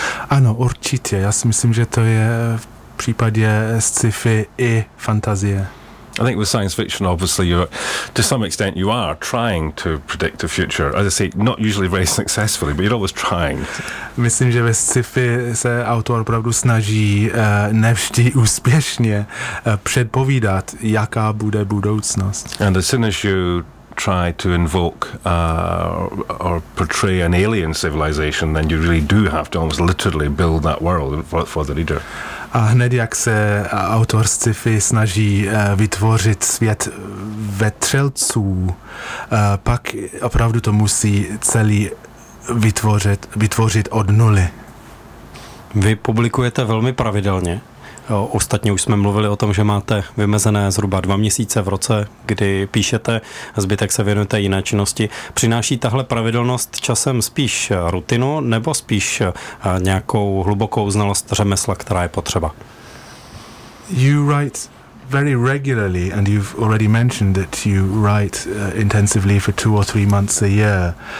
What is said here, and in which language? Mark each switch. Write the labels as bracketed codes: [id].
[cs] Ano, určitě. Já si myslím, že to je v případě sci-fi i fantazie. [en] I think with science fiction, obviously, to some extent, you are trying to predict the future. As I say, not usually very successfully, but you're always trying. [cs] Myslím, že ve sci-fi se autor opravdu snaží nevždy úspěšně předpovídat, jaká bude budoucnost. [en] And as soon as you try to invoke or portray an alien civilization, then you really do have to almost literally build that world for the reader. [cs] A hned jak se autor sci-fi snaží vytvořit svět vetřelců, pak opravdu to musí celý vytvořit od nuly. Vy publikujete velmi pravidelně. Ostatně už jsme mluvili o tom, že máte vymezené zhruba 2 měsíce v roce, kdy píšete, zbytek se věnujete jiné činnosti. Přináší tahle pravidelnost časem spíš rutinu nebo spíš nějakou hlubokou znalost řemesla, která je potřeba? [en] You write very regularly and you've already mentioned that you write intensively for 2 or 3 months a year.